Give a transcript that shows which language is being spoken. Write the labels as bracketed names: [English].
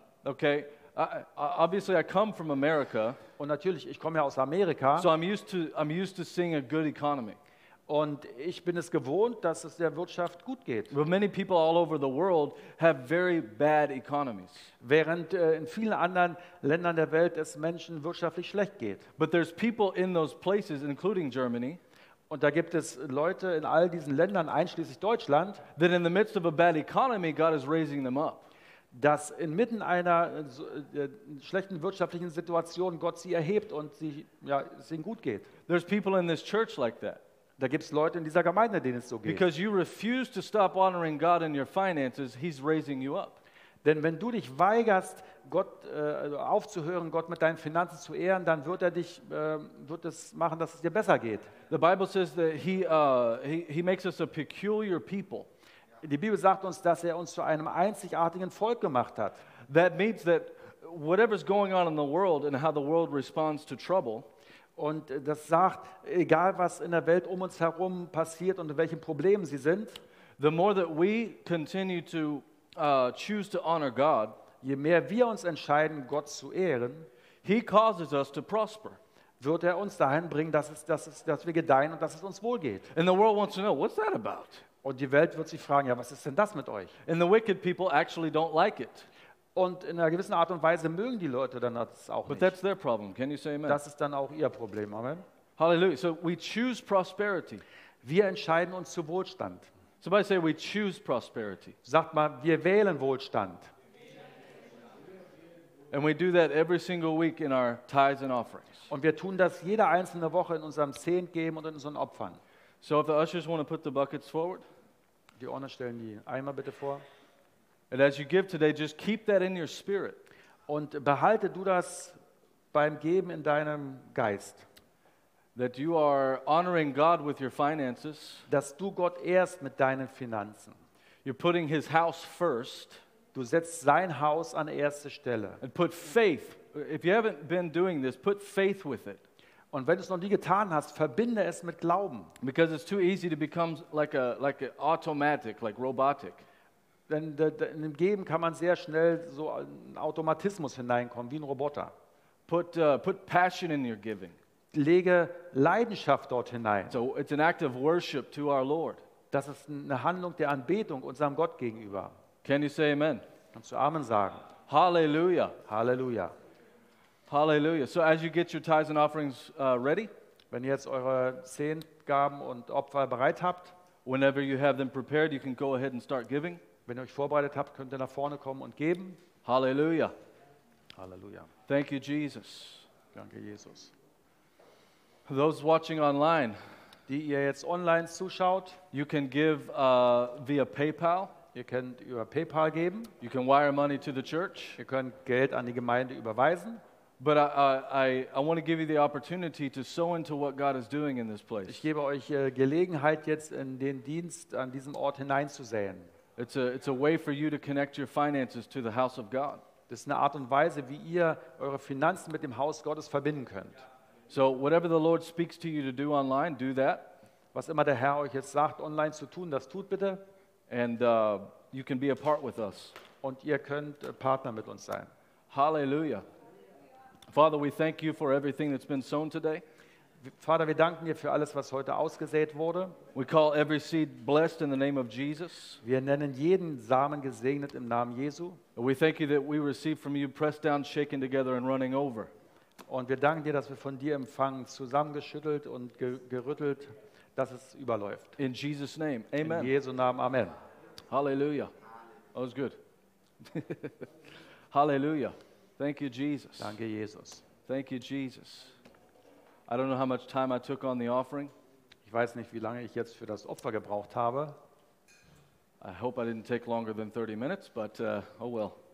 [English] Okay. Obviously, I come from America. [German] Und natürlich, ich komme ja aus Amerika. [English] So I'm used to seeing a good economy. [German] Und ich bin es gewohnt, dass es der Wirtschaft gut geht. [English] But many people all over the world have very bad economies. [German] Während in vielen anderen Ländern der Welt es Menschen wirtschaftlich schlecht geht. [English] But there's people in those places, including Germany. [German] Und da gibt es Leute in all diesen Ländern, einschließlich Deutschland, [English] that in the midst of a bad economy, God is raising them up. [German] Dass inmitten einer schlechten wirtschaftlichen Situation Gott sie erhebt und es ihnen gut geht. [English] There's people in this church like that. [German] Da gibt's Leute in dieser Gemeinde, denen es so geht. [English] Because you refuse to stop honoring God in your finances, he's raising you up. [German] Denn wenn du dich weigerst, Gott aufzuhören, Gott mit deinen Finanzen zu ehren, dann wird er dich wird es machen, dass es dir besser geht. [English] The Bible says that he makes us a peculiar people. [German] Die Bibel sagt uns, dass er uns zu einem einzigartigen Volk gemacht hat. [English] That means that whatever's going on in the world and how the world responds to trouble, [German] und das sagt, egal was in der Welt um uns herum passiert und in welchen Problemen sie sind, [English] the more that we continue to choose to honor God, [German] je mehr wir uns entscheiden, Gott zu ehren, [English] he causes us to prosper. [German] Wird er uns dahin bringen, dass wir gedeihen und dass es uns wohlgeht. [English] And the world wants to know, what's that about? [German] Und die Welt wird sich fragen, ja, was ist denn das mit euch? [English] And the wicked people actually don't like it. [German] Und in einer gewissen Art und Weise mögen die Leute dann das auch [English] But That's their problem. Can you say amen? [German] Das ist dann auch ihr Problem. [English] Amen. Hallelujah. So we choose prosperity. [German] Wir entscheiden uns zu Wohlstand. [English] Somebody say we choose prosperity. [German] Sagt mal, wir wählen Wohlstand. [English] And we do that every single week in our tithes and offerings. [German] Und wir tun das jede einzelne Woche in unserem Zehntgeben und in unseren Opfern. [English] So if the ushers want to put the buckets forward. [German] Die Urne stellen die Eimer bitte vor. [English] And as you give today, just keep that in your spirit. [German] Und behalte du das beim Geben in deinem Geist. [English] That you are honoring God with your finances. [German] Dass du Gott ehrst mit deinen Finanzen. [English] You're putting his house first. [German] Du setzt sein Haus an erste Stelle. [English] And put faith. If you haven't been doing this, put faith with it. [German] Und wenn du es noch nie getan hast, verbinde es mit Glauben. [English] Because it's too easy to become like a automatic, like robotic. [German] Denn in dem Geben kann man sehr schnell so einen Automatismus hineinkommen, wie ein Roboter. [English] Put passion in your giving. [German] Lege Leidenschaft dort hinein. [English] So it's an act of worship to our Lord. [German] Das ist eine Handlung der Anbetung unserem Gott gegenüber. [English] Can you say amen? [German] Kannst du Amen sagen? [English] Hallelujah. Hallelujah. Hallelujah. So as you get your tithes and offerings ready, [German] wenn ihr jetzt eure Zehntgaben und Opfer bereit habt, [English] whenever you have them prepared, you can go ahead and start giving. [German] Wenn ihr euch vorbereitet habt, könnt ihr nach vorne kommen und geben. [English] Hallelujah. Hallelujah. Thank you, Jesus. [German] Danke, Jesus. [English] Those watching online, [German] die ihr jetzt online zuschaut, [English] you can give via PayPal. [German] Ihr könnt über PayPal geben. [English] You can wire money to the church. [German] Ihr könnt Geld an die Gemeinde überweisen. [English] But I want to give you the opportunity to sow into what God is doing in this place. [German] Ich gebe euch Gelegenheit jetzt in den Dienst an diesem Ort hineinzusäen. [English] It's a way for you to connect your finances to the house of God. [German] Das ist eine Art und Weise, wie ihr eure Finanzen mit dem Haus Gottes verbinden könnt. [English] So whatever the Lord speaks to you to do online, do that. [German] Was immer der Herr euch jetzt sagt, online zu tun, das tut bitte. [English] And you can be a part with us. [German] Und ihr könnt Partner mit uns sein. [English] Hallelujah. Father, we thank you for everything that's been sown today. [German] Vater, wir danken dir für alles, was heute ausgesät wurde. [English] We call every seed blessed in the name of Jesus. [German] Wir nennen jeden Samen gesegnet im Namen Jesu. [English] We thank you that we receive from you pressed down, shaken together and running over. [German] Und wir danken dir, dass wir von dir empfangen, zusammengeschüttelt und gerüttelt, dass es überläuft. [English] In Jesus' name, amen. [German] In Jesu Namen, amen. [English] Hallelujah. That was good. Hallelujah. Thank you, Jesus. [German] Danke, Jesus. [English] Thank you, Jesus. I don't know how much time I took on the offering. [German] Ich weiß nicht, wie lange ich jetzt für das Opfer gebraucht habe. [English] I hope I didn't take longer than 30 minutes, but oh well.